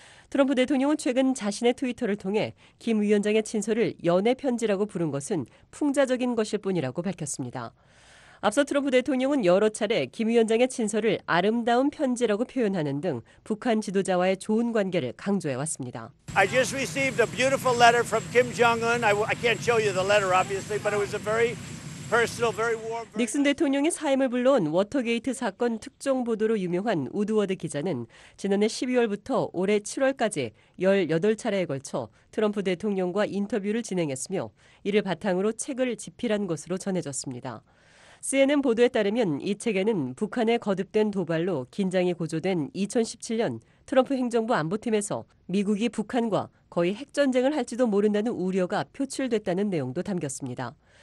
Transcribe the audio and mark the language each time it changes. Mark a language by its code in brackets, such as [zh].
[ko] 트럼프 대통령은 최근 자신의 트위터를 통해 김 위원장의 친서를 연애 편지라고 부른 것은 풍자적인 것일 뿐이라고 밝혔습니다. 앞서 트럼프 대통령은 여러 차례 김 위원장의 친서를 아름다운 편지라고 표현하는 등 북한 지도자와의 좋은 관계를 강조해왔습니다. [en] I just received a beautiful letter from Kim Jong-un. I can't show you the letter, obviously, but it was a very personal, very warm. [ko] 닉슨 대통령의 사임을 불러온 워터게이트 사건 특종 보도로 유명한 우드워드 기자는 지난해 12월부터 올해 7월까지 18차례에 걸쳐 트럼프 대통령과 인터뷰를 진행했으며 이를 바탕으로 책을 집필한 것으로 전해졌습니다. CNN 보도에 따르면 이 책에는 북한의 거듭된 도발로 긴장이 고조된 2017년 트럼프 행정부 안보팀에서 미국이 북한과 거의 핵전쟁을 할지도 모른다는 우려가 표출됐다는 내용도 담겼습니다.